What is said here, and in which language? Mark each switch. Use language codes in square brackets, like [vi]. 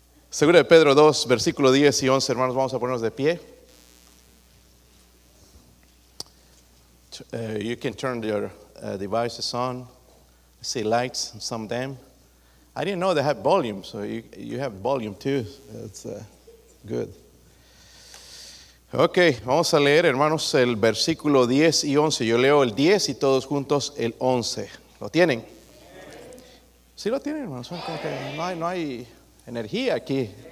[es] Segunda de Pedro 2, versículo 10 y 11, hermanos, vamos a ponernos de pie. [en] You can turn your devices on. I see lights on some of them. I didn't know they had volume, so you have volume too. That's good. [es] Okay, vamos a leer, hermanos, el versículo 10 y 11. Yo leo el 10 y todos juntos el 11. ¿Lo tienen? Sí lo tienen, hermanos. No hay energía aquí.